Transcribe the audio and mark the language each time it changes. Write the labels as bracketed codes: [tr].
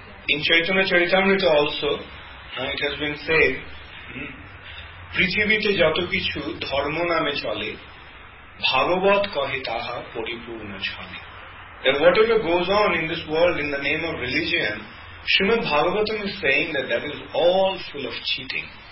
[en] In Chaitanya Charitamrita, also, it has been said. [bn] পৃথিবীতে যত কিছু ধর্ম নামে চলে ভাগবত কহে তাহা পরিপূর্ণ ছলে. [en] And whatever goes on in this world in the name of religion, Srimad Bhagavatam is saying that that is all full of cheating.